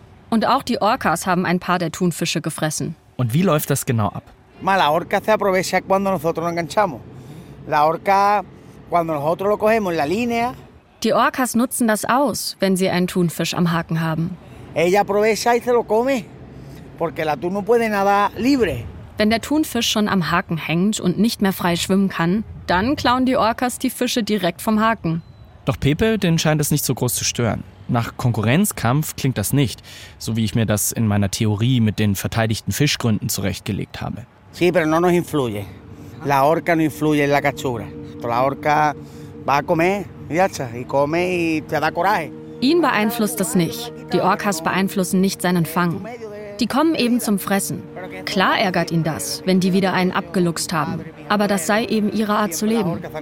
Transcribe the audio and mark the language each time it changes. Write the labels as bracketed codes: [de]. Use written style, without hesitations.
[de] Und auch die Orcas haben ein paar der Thunfische gefressen. Und wie läuft das genau ab? [es] La orca se aprovecha cuando nosotros lo enganchamos. La orca cuando nosotros lo cogemos la línea. [de] Die Orcas nutzen das aus, wenn sie einen Thunfisch am Haken haben. [es] Ella aprovecha y se lo come, porque el atún no puede nadar libre. [de] Wenn der Thunfisch schon am Haken hängt und nicht mehr frei schwimmen kann, dann klauen die Orcas die Fische direkt vom Haken. Doch Pepe, den scheint es nicht so groß zu stören. Nach Konkurrenzkampf klingt das nicht, so wie ich mir das in meiner Theorie mit den verteidigten Fischgründen zurechtgelegt habe. [es] Sí, pero no nos influye. La orca no influye en la captura. La orca va a comer, ya, y come y te da coraje. [de] Ihn beeinflusst das nicht. Die Orcas beeinflussen nicht seinen Fang. Die kommen eben zum Fressen. Klar ärgert ihn das, wenn die wieder einen abgeluchst haben. Aber das sei eben ihre Art zu leben.